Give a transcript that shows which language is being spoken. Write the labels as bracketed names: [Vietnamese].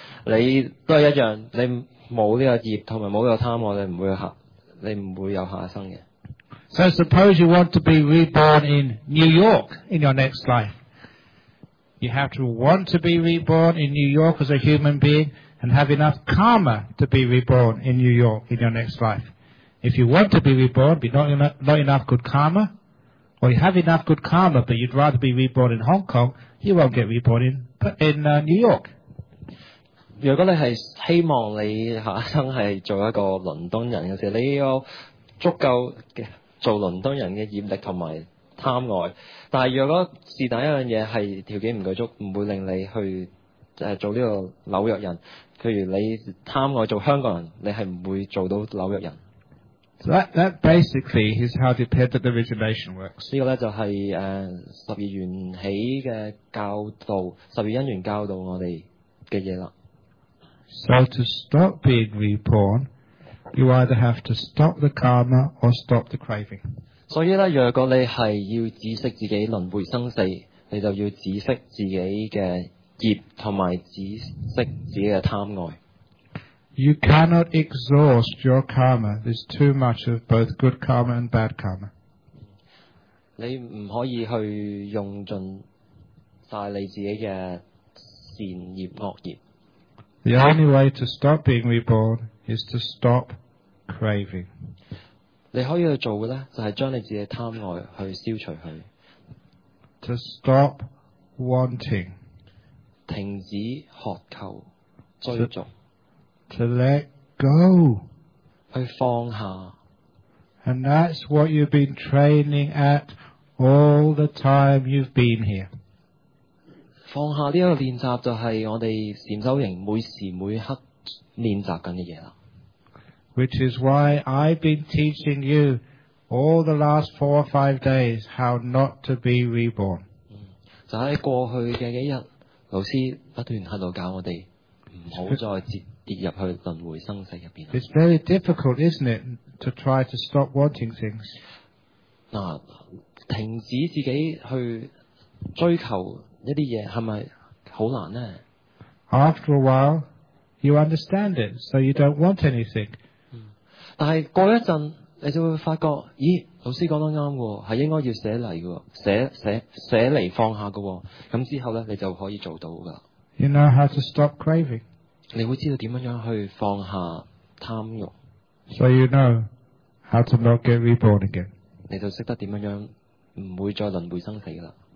[Cantonese] 你都係一樣，你冇呢個業同埋冇呢個貪，我哋唔會你唔會有下生嘅。 [English] So suppose you want to be reborn in New York in your next life. You have to want to be reborn in New York as a human being and have enough karma to be reborn in New York in your next life. If you want to be reborn, but not enough good karma, or you have enough good karma, but you'd rather be reborn in Hong Kong, you won't get reborn in New York. [Cantonese] 如果你係希望你下一生係做一個倫敦人嘅時候，你有足夠嘅做倫敦人嘅業力同埋貪愛，但係如果是但一樣嘢係條件唔夠足，唔會令你去做呢個紐約人，譬如你貪愛做香港人，你係唔會做到紐約人。 [English] So that basically is how dependent origination works. [Cantonese] 呢個咧就係十二緣起嘅教導，十二因緣教導我哋嘅嘢啦。 [English] So to stop being reborn, you either have to stop the karma or stop the craving. [Cantonese] 所以咧，若果你係要止息自己輪迴生死，你就要止息自己嘅業同埋止息自己嘅貪愛。 [English] You cannot exhaust your karma. There's too much of both good karma and bad karma. [Cantonese] 你唔可以去用盡曬你自己嘅善業惡業。 [English] The only way to stop being reborn is to stop craving. [Cantonese] 你可以去做嘅咧，就係將你自己貪愛去消除佢。 [English] To stop wanting. [Cantonese] 停止渴求追逐。 [English] To let go. [Cantonese] 去放下。 [English] And that's what you've been training at all the time you've been here. [Cantonese] 放下呢个练习就系我哋禅修营每时每刻练习紧嘅嘢啦。 [English] Which is why I've been teaching you all the last 4 or 5 days how not to be reborn。 [Cantonese] 就喺过去嘅几日，老师不断喺度教我哋唔好再跌入去轮回生死入边。 [English] It's very difficult, isn't it, to try to stop wanting things？ [Cantonese] 嗱，停止自己去追求。一啲嘢係咪好難呢 [English] ？After a while, you understand it, so you don't want anything. [Cantonese] 但係過一陣，你就會發覺，咦，老師講得啱喎，係應該要捨離嘅喎，捨離放下嘅喎。咁之後咧，你就可以做到噶啦。 [English] You know how to stop craving. [Cantonese] 你會知道點樣去放下貪慾。 [English] So you know how to not get reborn again. [Cantonese] 你就識得點樣唔會再輪迴生死噶啦。